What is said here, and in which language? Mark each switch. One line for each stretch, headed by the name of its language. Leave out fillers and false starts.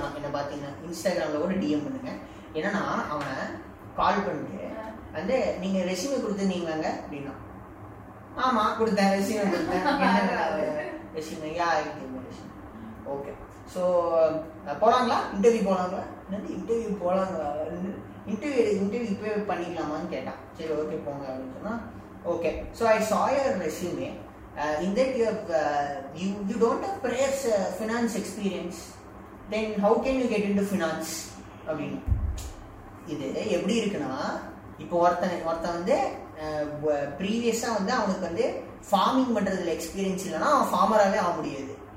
Tamil: நான் என்ன பார்த்தீங்கன்னா இன்ஸ்டாகிராமில் கூட டிஎம் பண்ணுங்கள். ஏன்னா அவனை கால் பண்ணிட்டு வந்து நீங்கள் ரெசியூமே கொடுத்துருந்தீங்களாங்க அப்படின்னா, ஆமாம் கொடுத்தேன் ரெசியூமே கொடுத்தேன் ரெசியூமே யா idea resume okay. So போகலாங்களா interview போகலாங்களா? என்னது இன்டர்வியூ போகலாங்களா? இன்டர்வியூ இப்போ பண்ணிக்கலாமான்னு கேட்டான். சரி ஓகே போங்க அப்படின்னு சொன்னால் ஓகே.
English: So I saw your resume. In that you have, you don't have perhaps finance experience, then how can you get into finance? I mean,
Tamil: இது எப்படி இருக்குன்னா, இப்போ ஒருத்தன் வந்து ப்ரீவியஸாக வந்து அவனுக்கு வந்து ஃபார்மிங் பண்ணுறதுல எக்ஸ்பீரியன்ஸ் இல்லைனா அவன் ஃபார்மராகவே ஆக முடியாது.